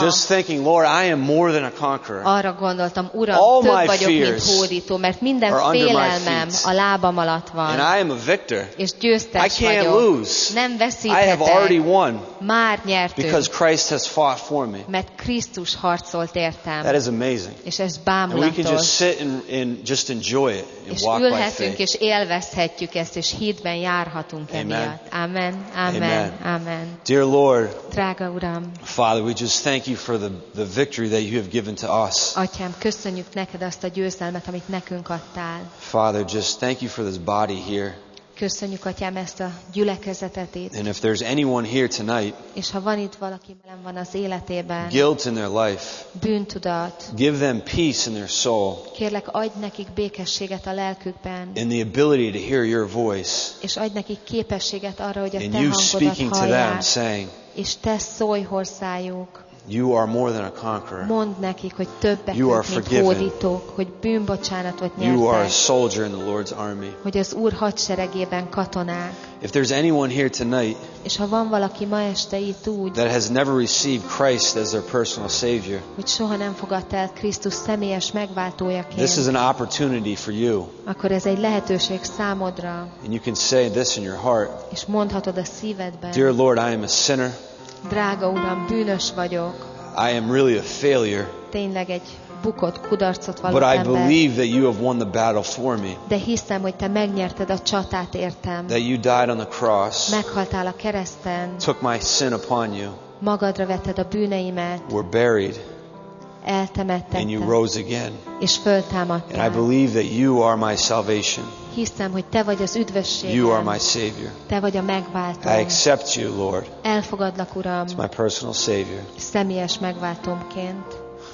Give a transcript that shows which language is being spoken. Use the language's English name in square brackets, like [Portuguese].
[English] Just thinking, Lord, I am more than a conqueror. [Hungarian] Arra gondoltam, Uram, több vagyok, mint hódító, mert minden félelmem a lábam alatt van. [English] And I am a victor. [Hungarian] És győztes vagyok. [English] I can't lose. [Hungarian] Nem veszíthetek. [English] I have already won. [Hungarian] Már nyertünk. [English] Because Christ has fought for me. [Hungarian] Mert Krisztus harcolt értem. [English] That is amazing. [Hungarian] És ez bámulatos. [English] And we can just sit and just enjoy it. [Hungarian] Ülhetünk és élvezhetjük ezt, és hídben járhatunk emiatt. [English] Amen. Amen. Amen. Dear Lord, [Hungarian] drága Uram, [English] Father, we just thank you for the victory that you have given to us. [Hungarian] Atyám, köszönjük neked azt a győzelmet, amit nekünk adtál. [English] Father, just thank you for this body here. [Hungarian] Köszönjük, Atyám, ezt a gyülekezetet itt. [English] And if there's anyone here tonight, [Hungarian] és ha van itt valaki, velem van az életében, [English] guilt in their life, [Hungarian] bűntudat, [English] give them peace in their soul, [Hungarian] kérlek, adj nekik békességet a lelkükben, [English] and the ability to hear your voice, [Hungarian] és adj nekik képességet arra, hogy a te hangodat hallják, [English] and you speaking to them, saying, [Hungarian] és te szólj hozzájuk, [English] you are more than a conqueror. [Hungarian] Mondd nekik, hogy többek, mint [English] forgiven. [Hungarian] Hódítók, hogy bűnbocsánatot nyertek. [English] You are a soldier in the Lord's army. [Hungarian] Hogy az Úr hadseregében katonák. [English] If there's anyone here tonight, [Hungarian] és ha van valaki ma este itt úgy, [English] that has never received Christ as their personal savior, [Hungarian] hogy soha nem fogadta el Krisztus személyes megváltójaként, [English] this is an opportunity for you. [Hungarian] Akkor ez egy lehetőség számodra. [English] And you can say this in your heart. [Hungarian] És mondhatod a szívedben. [English] Dear Lord, I am a sinner. [Hungarian] Drága Uram, bűnös vagyok. [English] I am really a failure. [Hungarian] Tényleg egy bukott, kudarcot való ember. [English] But I believe that you have won the battle for me. [Hungarian] De hiszem, hogy te megnyerted a csatát értem. [English] That you died on the cross. [Hungarian] Meghaltál a kereszten. [English] Took my sin upon you. [Hungarian] Magadra vetted a bűneimet. [English] Were buried. [Hungarian] Eltemettettem. [English] And you rose again. [Hungarian] És föltámadtál. [English] And I believe that you are my salvation. [Hungarian] Hiszem, hogy te vagy az üdvösségem. [English] You are my savior. [Hungarian] Te vagy a megváltó. [English] I accept you, Lord. [Hungarian] Elfogadlak, Uram. [English] It's my personal savior. [Hungarian] Személyes megváltómként.